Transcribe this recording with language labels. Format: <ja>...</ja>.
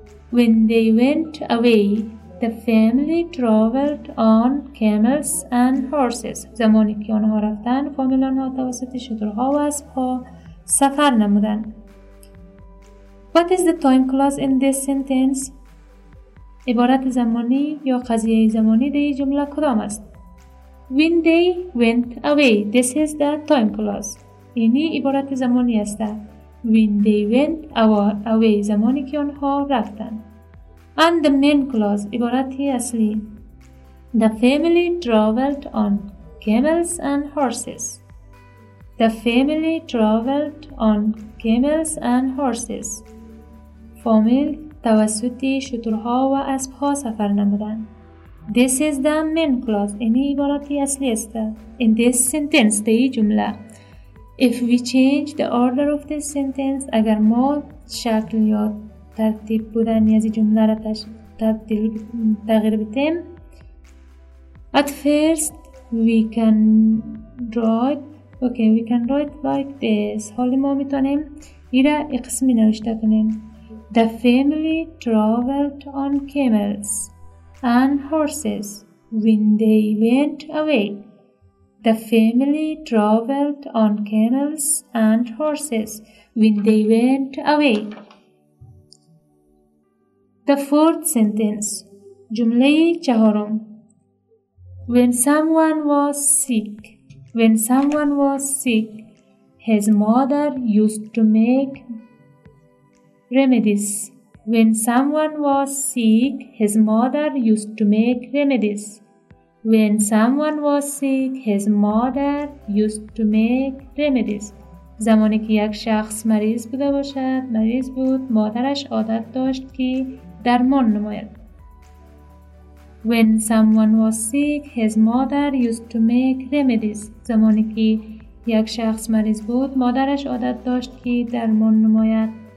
<en>When they went away, the family traveled on camels and horses.</en> <fa>زمانی که آنها رفتن، فامیل آنها توسط شترها و اسبها سفر نمودن.</fa> <en>What is the time clause in this sentence?</en> <fa>عبارت زمانی یا قضیه زمانی در این جمله کدام است؟</fa> <en>When they went away. This is the time clause.</en> <fa>یعنی عبارت زمانی است.</fa> <en>When they went away.</en> <fa>زمانی که آنها رفتن.</fa> <en>And the main clause,</en> <fa>عبارتی اصلی.</fa> <en>The family traveled on camels and horses. The family traveled on camels and horses.</en> <fa>فامیل توسط شترها و اسبها سفر نمودن.</fa> <en>This is the main clause.</en> <fa>اینی عبارتی اصلی است.</fa> <en>In this sentence,</en> <fa>دهی جمله.</fa> <en>If we change the order of this sentence,</en> <fa>اگر ما شکل یاد ترتیب بودن یا از جمله را تغییر بدیم.</fa> <en>At first we can write, okay, we can write like this.</en> <fa>حالا ما میتونیم این را قسمی نوشته کنیم.</fa> <en>The family traveled on camels and horses when they went away. The family traveled on camels and horses when they went away. The fourth sentence.</en> <fa>جمله چهارم.</fa> <en>When someone was sick. When someone was sick, his mother used to make remedies. When someone was sick, his mother used to make remedies. When someone was sick, his mother used to make remedies.</en> <fa>زمانی که یک شخص مریض بوده باشد، مریض بود، مادرش عادت داشت که درمان نماید.</fa> <en>When someone was sick, his mother used to make remedies.</en> <fa>زمانی که یک شخص مریض بود، مادرش عادت داشت که درمان نماید.</fa>